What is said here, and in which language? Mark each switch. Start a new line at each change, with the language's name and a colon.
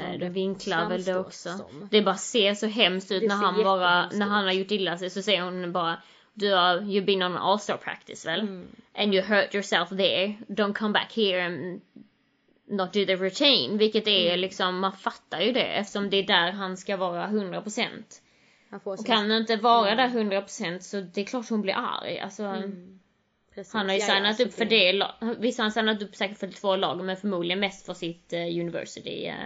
Swedish: Nej, det vinklar väl det också. Det bara ser så hemskt ut när han har gjort illa sig. Så ser hon bara,
English: you've been on an all-star practice,
Swedish: väl?
English: And you hurt yourself there. Don't come back here and not do the routine.
Swedish: Vilket är liksom, man fattar ju det. Eftersom det är där han ska vara 100%. Och kan inte vara där 100% så det är klart hon blir arg. Alltså, han har ju signat upp för det. Visst har han signat upp säkert för två lag, men förmodligen mest för sitt university.